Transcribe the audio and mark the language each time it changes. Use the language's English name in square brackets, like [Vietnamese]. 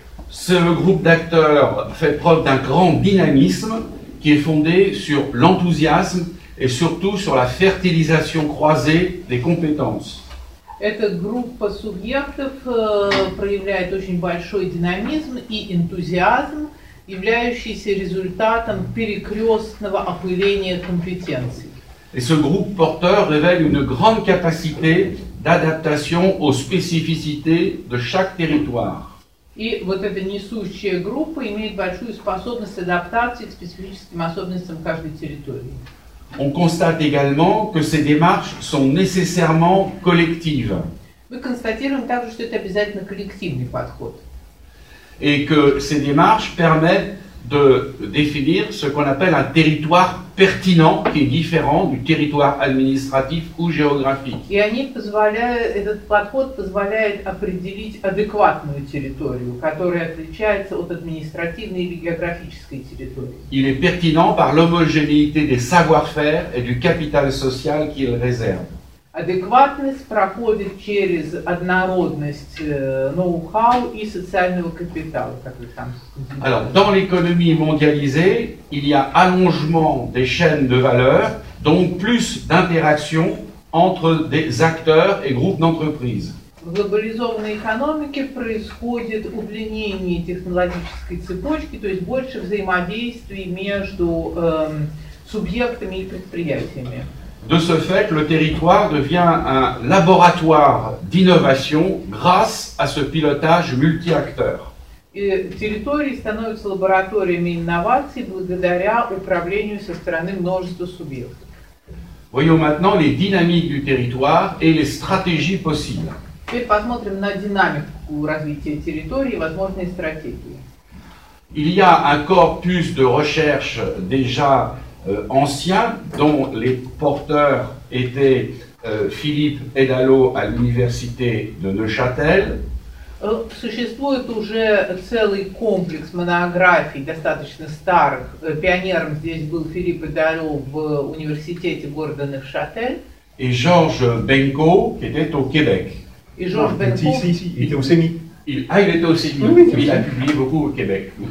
[French] Ce groupe d'acteurs fait preuve d'un grand dynamisme qui est fondé sur l'enthousiasme et surtout sur la fertilisation croisée des compétences. [Russian] Эта группа субъектов проявляет очень большой динамизм и энтузиазм, являющийся результатом перекрестного опыления компетенций. [French] Et ce groupe porteur révèle une grande capacité d'adaptation aux spécificités de chaque territoire. [Russian] И вот эта несущая группа имеет большую способность адаптации к специфическим особенностям каждой территории. [French] On constate également que ces démarches sont nécessairement collectives. [Russian] Мы констатируем также, что это обязательно коллективный подход. [French] Et que ces démarches permettent de définir ce qu'on appelle un territoire pertinent, qui est différent du territoire administratif ou géographique. [Russian] Et они позволяют, этот подход позволяет определить адекватную территорию, которая отличается от административной или географической территории. [French] Il est pertinent par l'homogénéité des savoir-faire et du capital social qu'il réserve. [Russian] Адекватность проходит через однородность ноу-хау и социального капитала, как вы там сказали. [French] Alors, dans l'économie mondialisée, il y a allongement des chaînes de valeur, donc plus d'interaction entre des acteurs et groupes d'entreprises. [Russian] В глобализованной экономике происходит удлинение технологической цепочки, то есть больше взаимодействий между субъектами и предприятиями. [French] De ce fait, le territoire devient un laboratoire d'innovation grâce à ce pilotage multi-acteur. [Russian] Территории становятся лабораториями инноваций благодаря управлению со стороны множества субъектов. [French] Voyons maintenant les dynamiques du territoire et les stratégies possibles. [Russian] Теперь посмотрим на динамику развития территории и возможные стратегии. [French] Il y a un corpus de recherche déjà anciens, dont les porteurs étaient Philippe Edalo à l'université de Neuchâtel. [Russian] Существует уже целый комплекс монографий достаточно старых. Пионером здесь был Филипп Эдало в университете города Нефшатель. [French] Et Georges Benko, qui était au Québec. Et Georges Benko. Si, il était au CEMI. Il était au CEMI, il a publié beaucoup au Québec.